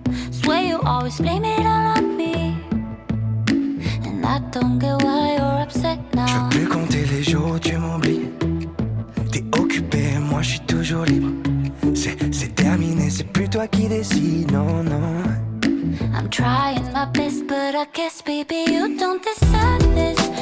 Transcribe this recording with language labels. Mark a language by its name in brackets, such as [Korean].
[English] Swear you always blame it all on me. And I don't get why you're upset now. [French] Je veux plus compter les jours où tu m'oublies. T'es occupé, moi je suis toujours libre. C'est terminé, c'est plus toi qui décides, non, non. [English] I'm trying my best, but I guess baby you don't deserve this.